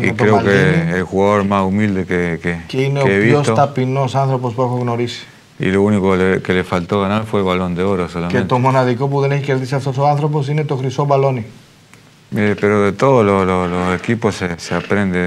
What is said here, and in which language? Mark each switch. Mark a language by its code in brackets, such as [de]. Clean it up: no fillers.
[es] y creo que el jugador más humilde [el] que είναι ο πιο ταπεινός άνθρωπος που έχω γνωρίσει. [es] Y lo único que le faltó ganar fue el balón de oro solamente. [el] Και το μοναδικό που δεν έχει κερδίσει αυτός ο άνθρωπος είναι το χρυσό μπαλόνι. [es] Pero de todos los equipos se aprende.